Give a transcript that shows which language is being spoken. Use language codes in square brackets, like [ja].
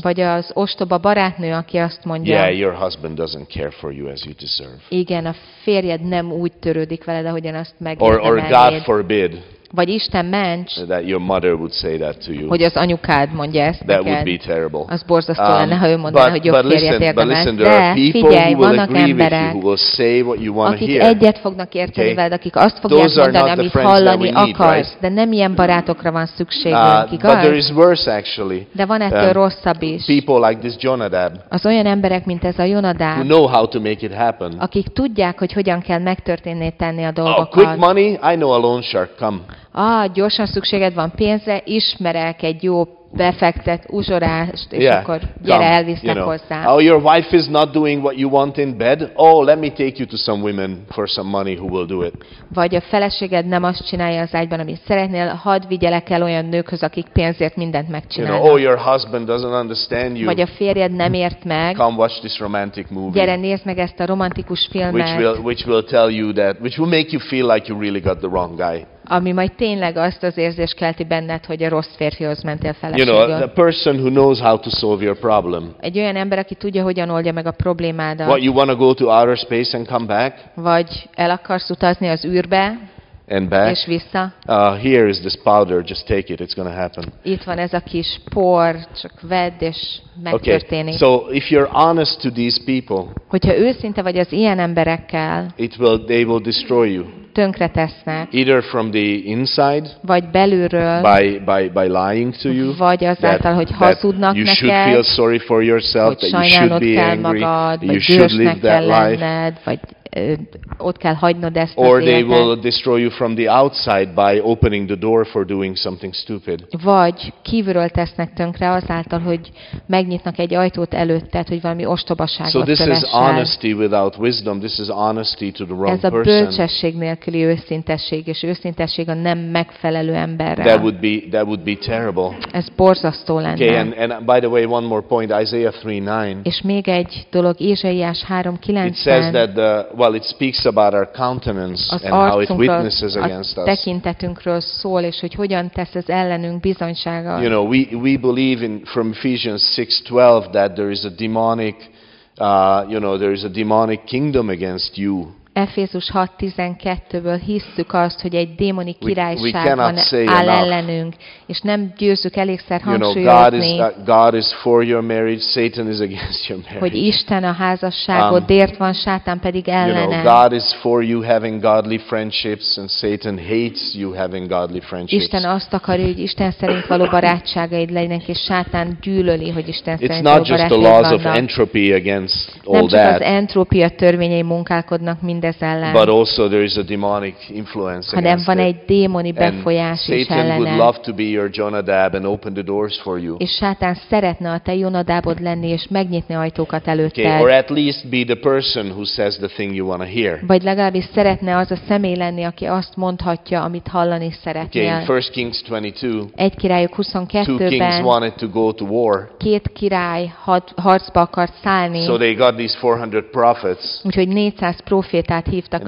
[hu] Vagy az ostoba barátnő, aki azt mondja. [en] Yeah, your husband doesn't care for you as you deserve. [hu] Igen, a férjed nem úgy törődik veled, ahogyan azt megérdemelnéd. [en] Or God forbid. [hu] vagy Isten ments, [en] that your mother would say that to you. [hu] Hogy az anyukád mondja ezt neked. [en] That would be terrible. [hu] Az borzasztó lenne, ha ő mondaná, hogy jobb férjet érdemelsz. De figyelj, vannak emberek, akik egyet fognak érteni veled, akik azt fogják mondani, amit hallani akarsz. De nem ilyen barátokra van szükségünk, igaz? [en] But there is worse actually. [hu] De van ettől rosszabb is. [en] People like this Jonadab. [hu] Az olyan emberek, mint ez a Jonadab. [en] Who know how to make it happen. [hu] Akik tudják, hogy hogyan kell megtörténni tenni a dolgokat. [en] Oh, quick money, I know a loan shark, come. [hu] Ah, gyorsan szükséged van pénzre, ismerek egy jó befektet uzsorást, és [en] yeah, [hu] akkor gyere, [en] come, [hu] elvisznek, [en] you know, [hu] hozzá. [en] Oh, your wife is not doing what you want in bed. Oh, let me take you to some women for some money who will do it. [hu] Vagy a feleséged nem azt csinálja az ágyban, amit szeretnél, hadd vigyelek el olyan nőkhöz, akik pénzért mindent megcsinálnak. [en] You know, oh, your husband doesn't understand you. [hu] Vagy a férjed nem ért meg. [en] Come watch this romantic movie. [hu] Gyere, nézd meg ezt a romantikus filmet. [en] Which will tell you that, which will make you feel like you really got the wrong guy. [hu] Ami majd tényleg azt az érzést kelti benned, hogy a rossz férfihoz mentél feleségül. [en] You know, a person who knows how to solve your problem. [hu] Egy olyan ember, aki tudja, hogyan oldja meg a problémádat. [en] What, you want to go to outer space and come back? [hu] Vagy el akarsz utazni az űrbe? [en] And back. [hu] És vissza. [en] Here is this powder, just take it, it's going to happen. [hu] Itt van ez a kis por, csak vedd és megtörténik. [en] Okay. So if you're honest to these people, [hu] hogyha őszinte vagy az ilyen emberekkel, [en] they will destroy you. [hu] Tönkre tesznek. [en] Either from the inside, [hu] vagy belülről, [en] by lying to you, [hu] vagy azáltal, hogy hazudnak neked, [en] you should feel sorry for yourself, [hu] hogy sajnálnod [en] that you should be angry, [hu] magad, [en] you should live that [hu] lenned, [en] life, [hu] vagy ott kell hagynod ezt az [en] or [hu] életet. [en] They will destroy you from the outside by opening the door for doing something stupid. [hu] Vagy kívülről tesznek tönkre azáltal, hogy megnyitnak egy ajtót előtted, hogy valami ostobaságot [en] so this is honesty without wisdom. This is honesty to the wrong person. [hu] Ez a bölcsesség nélküli őszintesség, és őszintesség a nem megfelelő emberre. [en] That would be terrible. [hu] Ez borzasztó lenne. [en] Okay, and by the way, one more point, Isaiah 3:9. [hu] És még egy dolog, Ézsaiás 3:9. [en] It says that the well, it speaks about our countenance [hu] az [en] and how it witnesses against us. [hu] A tekintetünkről szól, és hogy hogyan tesz ez ellenünk bizonyságot. [en] You know, we believe in from Ephesians 6:12 that there is a demonic, you know, there is a demonic kingdom against you. [hu] Efézus 6:12-ből hisszük azt, hogy egy démoni királyság van áll ellenünk, és nem győzzük elégszer hangsúlyozni. [en] You know, God is for your marriage, Satan is against your marriage. [hu] Hogy Isten a házasságodért van, Sátán pedig ellene. [en] You know, God is for you having godly friendships, and Satan hates you having godly friendships. [hu] Isten azt akarja, hogy Isten szerint való barátságaid legyenek, és Sátán gyűlöli, hogy Isten szerint való barátságaid vannak. [en] It's not just the laws of entropy against all that. [hu] Nem csak az entrópia törvényei munkálkodnak [en] but also there is a demonic influence against [hu] hanem van egy démoni befolyás [en] and Satan [hu] ellene. [en] Would love to be your Jonadab and open the doors for you. [hu] És Sátán szeretne a te Jonadabod lenni és megnyitni ajtókat előtted. [en] Okay, or at least be the person who says the thing you want to hear. [hu] Vagy legalábbis szeretne az a személy lenni, aki azt mondhatja, amit hallani szeretnél. [en] Okay, 1 Kings 22. [hu] Egy királyok 22-ben. [en] Two kings wanted to go to war. [hu] Két király harcba akart szállni. [en] So they got these 400 prophets. [hu] Úgyhogy 400 profét tehát hívtak